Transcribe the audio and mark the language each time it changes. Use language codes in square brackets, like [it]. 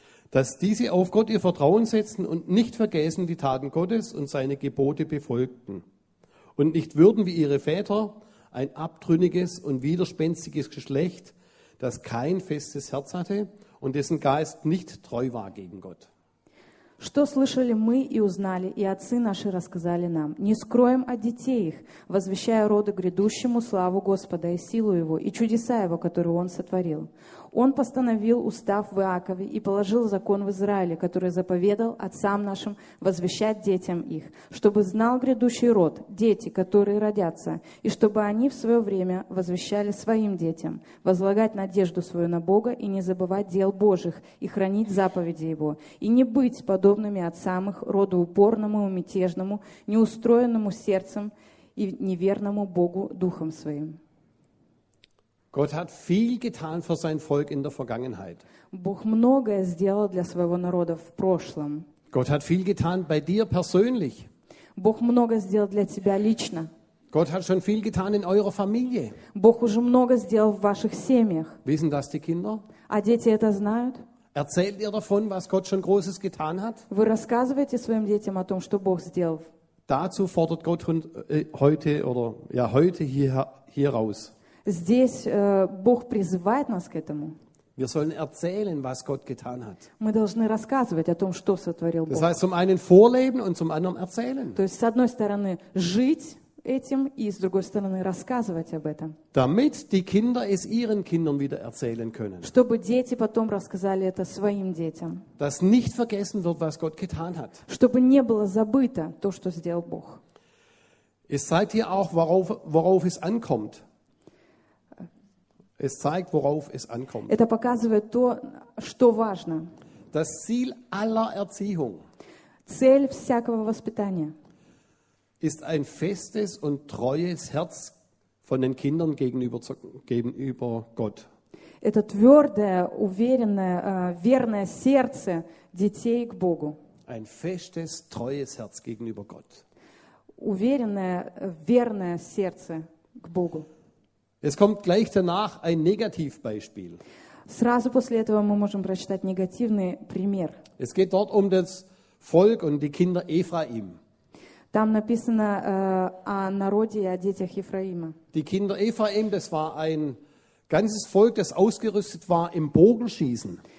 [de] Dass diese auf Gott ihr Vertrauen setzten und nicht vergessen die Taten Gottes und seine Gebote befolgten. Und nicht würden wie ihre Väter ein abtrünniges und widerspenstiges Geschlecht, das kein festes Herz hatte und dessen Geist nicht treu war gegen Gott. [ru] Что слышали мы и узнали, и отцы наши рассказали нам. Не скроем от детей их, возвещая роду грядущему славу Господа и силу Его, и чудеса Его, которые Он сотворил. Он постановил устав в Иакове и положил закон в Израиле, который заповедал отцам нашим возвещать детям их, чтобы знал грядущий род, дети, которые родятся, и чтобы они в свое время возвещали своим детям, возлагать надежду свою на Бога и не забывать дел Божьих и хранить заповеди Его, и не быть подобными отцам их, роду упорному и мятежному, неустроенному сердцем и неверному Богу духом своим». [de] Gott hat viel getan für sein Volk in der Vergangenheit. [ru] Бог многое сделал для своего народа в прошлом. [de] Gott hat viel getan bei dir persönlich. [ru] Бог многое сделал для тебя лично. [de] Gott hat schon viel getan in eurer Familie. [ru] Бог уже многое сделал в ваших семьях. [de] Wissen das die Kinder? [ru] А дети это знают? [de] Erzählt ihr davon, was Gott schon Großes getan hat? [ru] Вы рассказываете своим детям о том, что Бог сделал? [de] Dazu fordert Gott heute hier raus. [ru] Здесь Бог призывает нас к этому. [de] Wir sollen erzählen, was Gott getan hat. [ru] Мы должны рассказывать о том, что сотворил Бог. [de] Das heißt, zum einen vorleben und zum anderen erzählen. [ru] То есть, с одной стороны, жить этим и, с другой стороны, рассказывать об этом. [de] Damit die Kinder es ihren Kindern wieder erzählen können. [ru] Чтобы дети потом рассказали это своим детям. [de] Dass nicht vergessen wird, was Gott getan hat. [ru] Чтобы не было забыто то, что сделал Бог. [de] Es zeigt hier auch, worauf es ankommt. Es zeigt, worauf es ankommt. [ru] Это показывает то, что важно. [de] Das Ziel aller Erziehung. [ru] Цель всякого воспитания. [de] Ist ein festes und treues Herz von den Kindern gegenüber Gott. [ru] Это твердое, уверенное, верное сердце детей к Богу. [de] Ein festes, treues Herz gegenüber Gott. [ru] Уверенное, верное сердце к Богу. [de] Es kommt gleich danach ein Negativbeispiel. [ru] Сразу после этого мы можем прочитать негативный пример. [de] Es geht dort um das Volk und die Kinder Ephraim. [ru] Там написано о народе и о детях Ефраима. [de] Die Kinder Ephraim, das war ein ganzes Volk, das ausgerüstet war im Bogenschießen.